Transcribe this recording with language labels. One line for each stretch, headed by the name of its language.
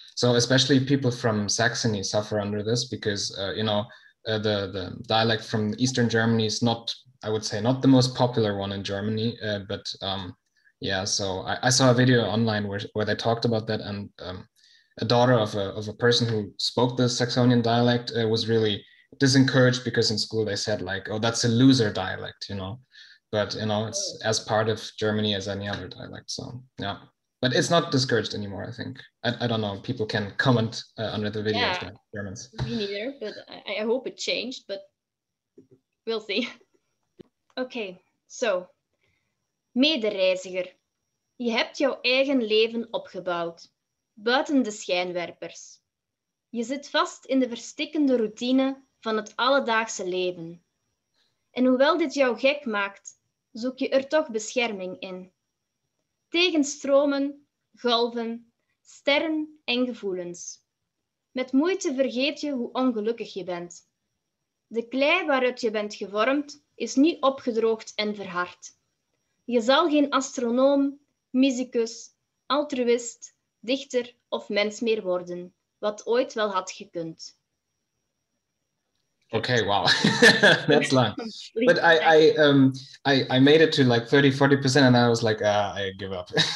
English: So especially people from Saxony suffer under this because the dialect from Eastern Germany is not, I would say, not the most popular one in Germany, I saw a video online where they talked about that, and a daughter of a person who spoke the Saxonian dialect was really disencouraged because in school they said like, oh, that's a loser dialect, you know, but you know, it's as part of Germany as any other dialect, so yeah, but it's not discouraged anymore, I think. I don't know, people can comment under the video if they're Germans. Me neither, but I hope it changed, but we'll see. Okay, so,
Dutch: medereiziger, je hebt jouw eigen leven opgebouwd, buiten de schijnwerpers. Je zit vast in de verstikkende routine van het alledaagse leven. En hoewel dit jou gek maakt, zoek je er toch bescherming in. Tegen stromen, golven, sterren en gevoelens. Met moeite vergeet je hoe ongelukkig je bent. De klei waaruit je bent gevormd, is nu opgedroogd en verhard. Je zal geen astronoom, muzikus, altruïst, dichter of mens meer worden, wat ooit wel had gekund.
English: Okay, wow. That's long. But I made it to like 30-40% and I was like, I give up.